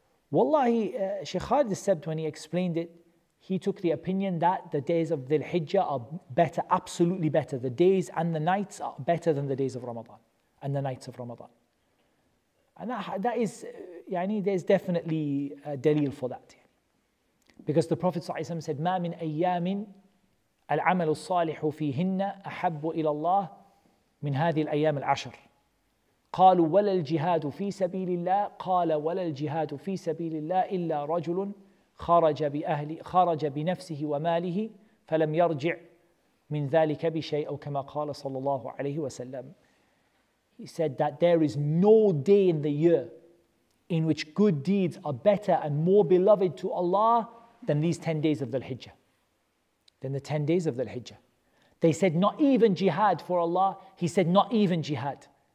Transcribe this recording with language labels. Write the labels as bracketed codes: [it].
[en] Wallahi, Sheikh Khalid al-Sabt, when he explained it, he took the opinion that the days of Dhul-Hijjah are better, absolutely better. The days and the nights are better than the days of Ramadan and the nights of Ramadan. And that is, yani, there's definitely a dalil for that. Because the Prophet ﷺ said, [ar] مَا مِنْ أَيَّامٍ العمل الصالح فيهن أحب إلى الله من هذه الأيام العشر. قالوا ولا الجهاد في سبيل الله. قال ولا الجهاد في سبيل الله إلا رجل خرج بنفسه وماله فلم يرجع من ذلك بشيء أو كما قال صلى الله عليه وسلم. [en] He said that there is no day in the year in which good deeds are better and more beloved to Allah than these 10 days of Dhul-Hijjah. Than the 10 days of Dhul-Hijjah. They said not even jihad for Allah. He said not even jihad.